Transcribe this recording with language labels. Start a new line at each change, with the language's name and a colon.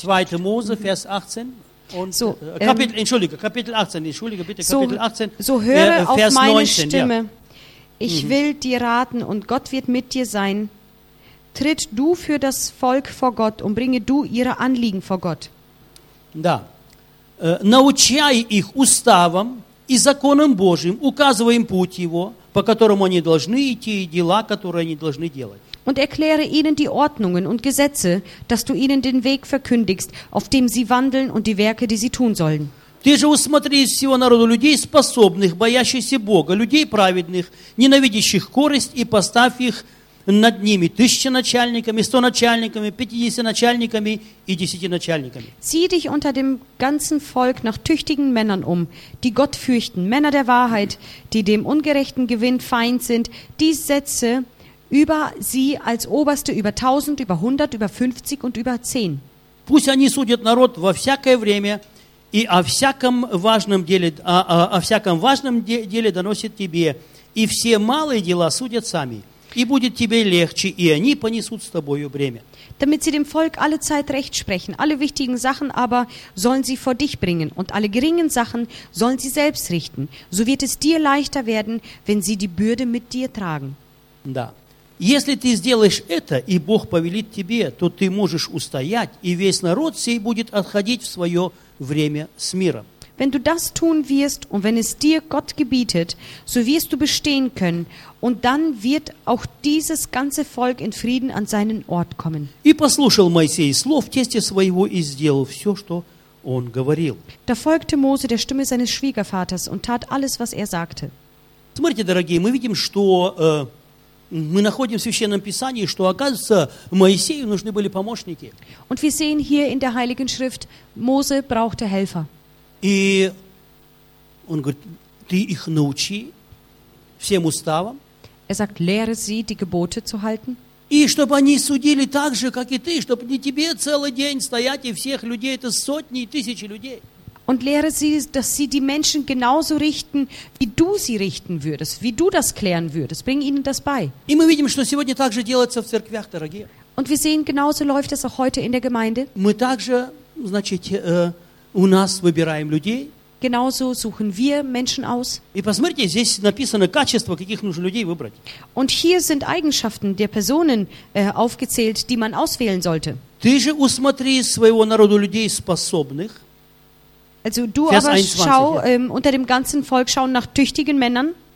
German: 2. Mose, Vers 18. Und so, Kapitel 18. So höre Vers auf meine 19, Stimme. Ja. Ich will dir raten und Gott wird mit dir sein. Tritt du für das Volk vor Gott und bringe du ihre Anliegen vor Gott.
Russian: Да. Научай их уставам и законам Божьим, указывай им путь его, по которому они должны идти и дела, которые они должны делать.
German: Und erkläre ihnen die Ordnungen und Gesetze, dass du ihnen den Weg verkündigst, auf dem sie wandeln und die Werke, die sie tun sollen.
Russian: Ты же усмотри из всего народа людей, способных, боящихся Бога, людей праведных, ненавидящих корысть, и поставь их над ними 1000 начальниками, 100 начальниками, 50 начальниками и 10 начальниками.
German: Sieh dich unter dem ganzen Volk nach tüchtigen Männern um, die Gott fürchten, Männer der Wahrheit, die dem ungerechten Gewinn feind sind, die setze über sie als Oberste über 1000, über 100, über 50 und über 10.
Russian: Пусть они судят народ во всякое время, и о всяком важном деле доносит тебе, и все малые дела судят сами, и будет тебе легче, и они понесут с тобою бремя.
German: Damit sie dem Volk alle Zeit recht sprechen, alle wichtigen Sachen aber sollen sie vor dich bringen, und alle geringen Sachen sollen sie selbst richten. So wird es dir leichter werden, wenn sie die Bürde mit dir tragen.
Russian: Да. Если ты сделаешь это, и Бог повелит тебе, то ты можешь устоять, и весь народ сей будет отходить в свое время с миром.
German: Wenn du das tun wirst und wenn es dir Gott gebietet, so wirst du bestehen können und dann wird auch dieses ganze Volk in Frieden an seinen Ort kommen.
Russian: И послушал Моисей слов тестя своего и сделал все, что он говорил.
German: Da folgte Mose der Stimme seines Schwiegervaters und tat alles, was er sagte.
Russian: Смотрите, дорогие, мы видим, что мы находим в Священном Писании, что, оказывается, Моисею нужны были помощники.
German: Und wir sehen hier in der Heiligen Schrift, Mose brauchte Helfer.
Russian: И он говорит: «Ты их научи всем уставам».
German: Er sagt: «Lehre sie, die Gebote zu halten».
Russian: И чтобы они судили так же, как и ты, чтобы не тебе целый день стоять и всех людей, это сотни и тысячи людей.
German: und lehre sie, dass sie die Menschen genauso richten, wie du sie richten würdest, wie du das klären würdest. Bring ihnen das bei.
Russian: И мы видим, что сегодня также делается в церквях, дорогие.
German: Und wir sehen, genauso läuft es auch heute in der Gemeinde.
Russian: Мы также, значит, у нас выбираем людей.
German: Genauso suchen wir Menschen aus.
Russian: И посмотрите, здесь написано качество, каких нужно людей выбрать.
German: Und hier sind Eigenschaften der Personen aufgezählt, die man auswählen sollte.
Russian: Ты же усмотри своего народа людей способных.
German: Also du Vers aber 21, schau, unter dem ganzen Volk schauen nach tüchtigen Männern.